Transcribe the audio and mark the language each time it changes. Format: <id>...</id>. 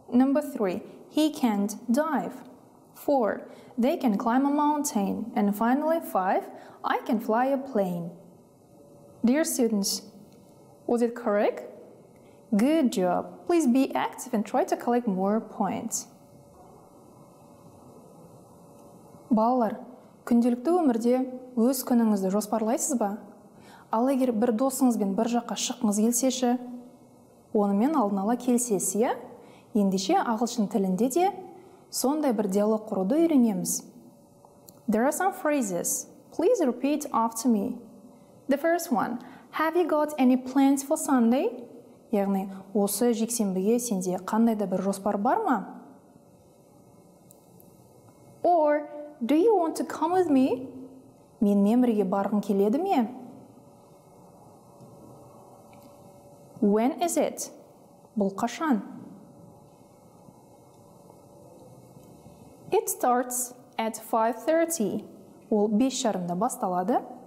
<en>Number three, he can't dive. Four, they can climb a mountain. And finally, five, I can fly a plane. Dear students, was it correct? Good job. Please be active and try to collect more points.</en> <kk>Балалар, күнделікті өмірде өз күніңізді жоспарлайсыз ба? Ал егер бір досыңызбен бір жаққа шыққыңыз келсе ше? Онымен алдын ала келсесі, е? Ендеше ағылшын тілінде де сондай бір диалог құруды үйренеміз.</kk> <en>There are some phrases. Please repeat after me. The first one. Have you got any plans for Sunday?</en> <kk>Яғни, осы жексенбіге сенде қандай да бір жоспар бар ма?</kk> <en>Or, do you want to come with me?</en> <kk>Менімен бірге барғың келеді ме?</kk> <en>When is it?</en> <kk>Бұл қашан?</kk> <en>It starts at 5:30.</en> <kk>Ол 5:30-да басталады.</kk>